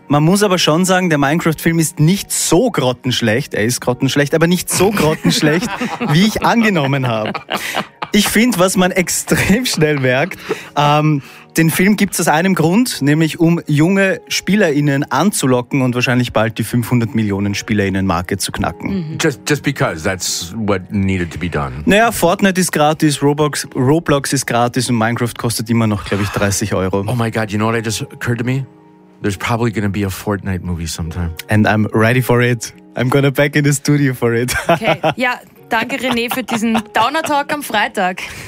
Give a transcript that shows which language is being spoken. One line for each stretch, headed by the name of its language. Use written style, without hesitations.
German: Man muss aber schon sagen, der Minecraft-Film ist nicht so grottenschlecht, er ist grottenschlecht, aber nicht so grottenschlecht, wie ich angenommen habe. Ich finde, was man extrem schnell merkt, den Film gibt es aus einem Grund, nämlich um junge SpielerInnen anzulocken und wahrscheinlich bald die 500 Millionen SpielerInnen-Marke zu knacken. Mhm.
English: Just because, that's what needed to be done.
German: Naja, Fortnite ist gratis, Roblox ist gratis und Minecraft kostet immer noch, glaube ich, 30 Euro.
English: Oh my God, you know what I just occurred to me? There's probably gonna be a Fortnite movie sometime. And I'm ready for it. I'm gonna back in the studio for it.
German: Okay, ja, danke René für diesen Downer-Talk am Freitag.